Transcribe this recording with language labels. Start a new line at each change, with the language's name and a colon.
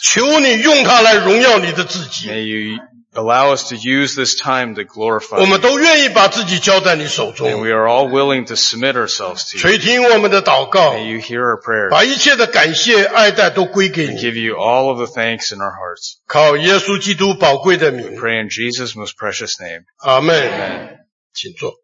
Chinese: 求你用它来荣耀你的自己。
English: May you allow us to use this time to glorify.
Chinese: 我们都愿意把自己交在你手中。
English: And we are all willing to submit ourselves to you.
Chinese: 垂听我们的祷告。
English: May you hear our prayers.
Chinese: 把一切的感谢爱戴都归给你。
English: And give you all of the thanks in our hearts.
Chinese: 靠耶稣基督宝贵的名。
English: We pray in Jesus' most precious name.
Chinese: Amen. Amen. 请坐。